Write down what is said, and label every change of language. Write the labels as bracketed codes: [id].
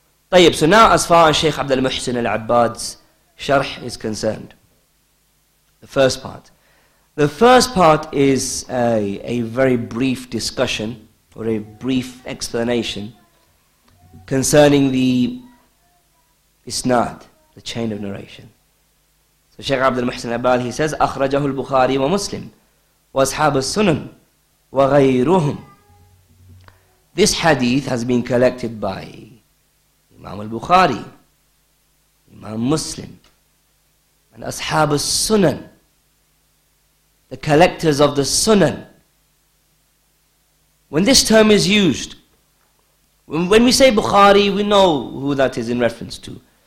[ar] طيب, [en] so now as far as Shaykh Abdul Muhsin Al-Abbad's sharh is concerned, the first part. The first part is a very brief discussion or a brief explanation concerning the isnad, the chain of narration. So Shaykh Abdul Muhsin Abad, he says, [ar] أخرجه البخاري ومسلم وأصحاب السنن وغيرهم. [en] This hadith has been collected by Imam al-Bukhari, Imam Muslim, and [ar] أصحاب السنن, [en] the collectors of the Sunan. When this term is used, when we say Bukhari, we know who that is in reference to.